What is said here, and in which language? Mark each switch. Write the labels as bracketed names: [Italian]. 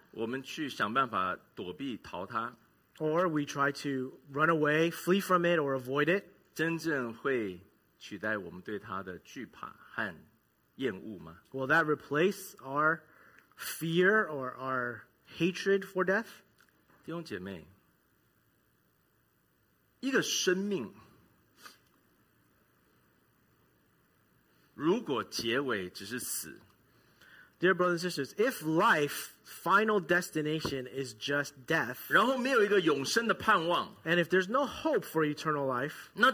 [Chinese] 我们去想办法躲避逃它, [English] or we try to run away, flee from it, or avoid it, [Chinese] 真正会取代我们对它的惧怕和厌恶吗? [English] Will that replace our fear or our hatred for death? [Chinese] 弟兄姐妹, 一个生命, 如果结尾只是死, [English] dear brothers and sisters, if life final destination is just death, [Chinese] 然后没有一个永生的盼望, [English] and if there's no hope for eternal life,